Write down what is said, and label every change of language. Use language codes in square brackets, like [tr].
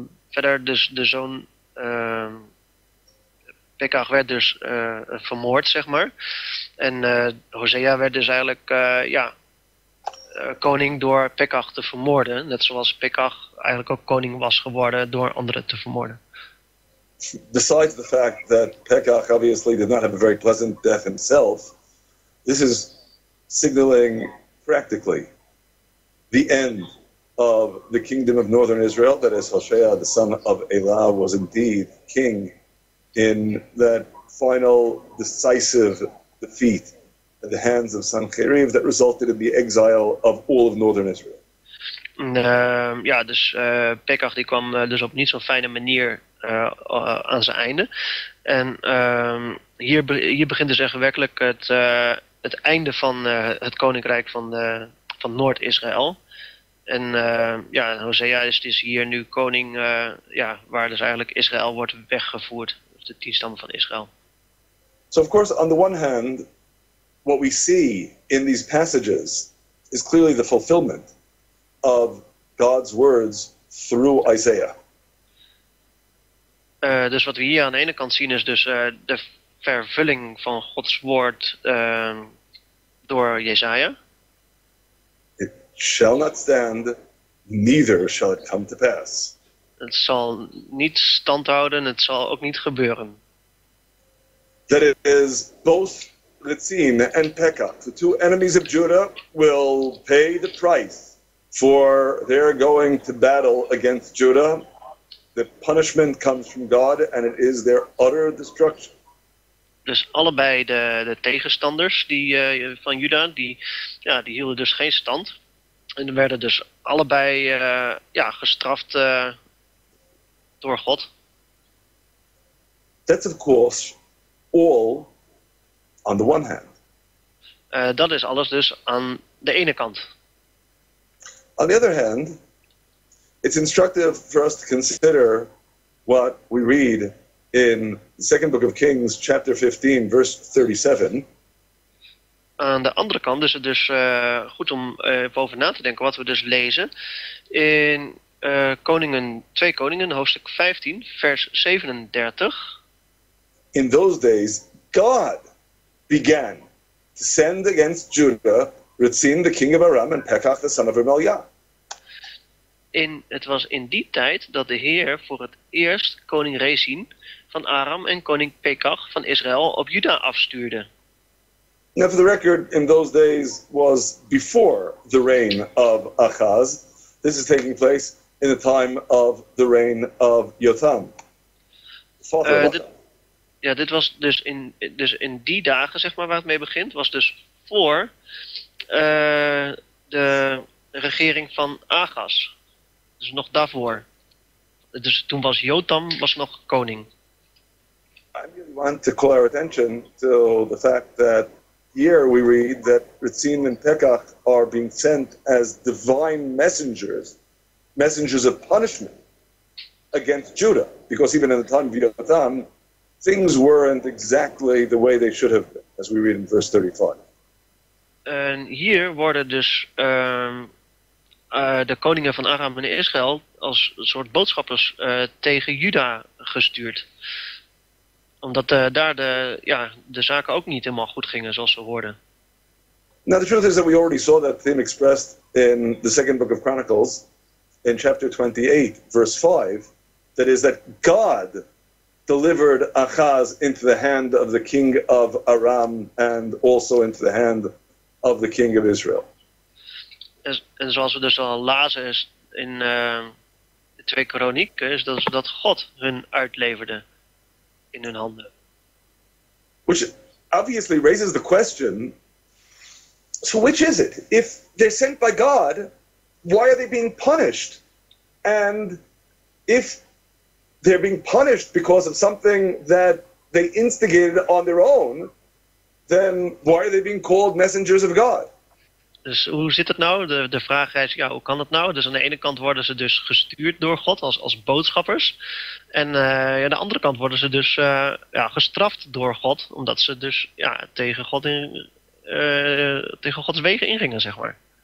[nl] Verder dus de zoon Pekach werd dus vermoord, zeg maar. En Hosea werd dus eigenlijk koning door Pekach te vermoorden, net zoals Pekach eigenlijk ook koning was geworden door anderen te vermoorden. [en] Besides the fact that Pekach obviously did not have a very pleasant death himself, this is signaling practically the end of the kingdom of northern Israel, that is Hoshea, the son of Elah, was indeed king in that final decisive defeat at the hands of Sancheriv that resulted in the exile of all of northern Israel. [nl] Ja, dus Pekach die kwam dus op niet zo'n fijne manier aan zijn einde. En hier begint dus echt werkelijk het einde van het koninkrijk van Noord-Israël. En ja, Hosea is hier nu koning waar dus eigenlijk Israël wordt weggevoerd, de 10 stammen van Israël. [en] So of course, on the one hand, what we see in these passages is clearly the fulfillment of God's words through Isaiah. [nl] Dus wat we hier aan de ene kant zien is dus de vervulling van Gods woord door Jesaja. [en] It shall not stand, neither shall it come to pass. [nl] Het zal niet stand houden, het zal ook niet gebeuren. [en] That it is both Ritzin and Pekah, the two enemies of Judah, will pay the price for their going to battle against Judah. The punishment comes from God and it is their utter destruction. [nl] Dus allebei de tegenstanders die van Juda, die hielden dus geen stand. En werden dus allebei gestraft door God. [en] That's of course all on the one hand. [nl] Dat is alles dus aan de ene kant. [en] On the other hand, it's instructive for us to consider what we read in the second book of Kings, chapter 15, verse 37. [nl] Aan de andere kant is het dus goed om over na te denken wat we dus lezen in Koningen, 2 Koningen, hoofdstuk 15, vers 37. [en] In those days, God began to send against Judah Ritzin, the king of Aram, and Pekah, the son of Remaliah. [nl] Het was in die tijd dat de Heer voor het eerst koning Rezin van Aram en koning Pekach van Israël op Juda afstuurde. [en] Now for the record, in those days was before the reign of Achaz. This is taking place in the time of the reign of Jotham. [nl] Dit was dus in die dagen, zeg maar, waar het mee begint, was dus voor de regering van Achaz. Dus nog daarvoor. Dus toen was Jotham was nog koning. [en] I really want to call our attention to the fact that here we read that Ritzin and Pekah are being sent as divine messengers, messengers of punishment against Judah. Because even in the time of Jotham, things weren't exactly the way they should have been, as we read in verse 35. [nl] En hier worden dus de koningen van Aram en Israël als een soort boodschappers tegen Juda gestuurd. Omdat daar de zaken ook niet helemaal goed gingen zoals ze hoorden. [en] Now the truth is that we already saw that theme expressed in the second book of Chronicles, in chapter 28, verse 5. That is that God delivered Achaz into the hand of the king of Aram and also into the hand of the king of Israel. [nl] En zoals we dus al lazen is in 2 Kronieken, is dat God hun uitleverde in hun handen. [en] Which obviously raises the question, so which is it? If they're sent by God, why are they being punished? And if they're being punished because of something that they instigated on their own, then why are they being called messengers of God? [nl] Dus hoe zit het nou? De vraag is, ja, hoe kan dat nou? Dus aan de ene kant worden ze dus gestuurd door God als boodschappers. En aan de andere kant worden ze dus gestraft door God, omdat ze dus tegen Gods wegen ingingen, zeg maar.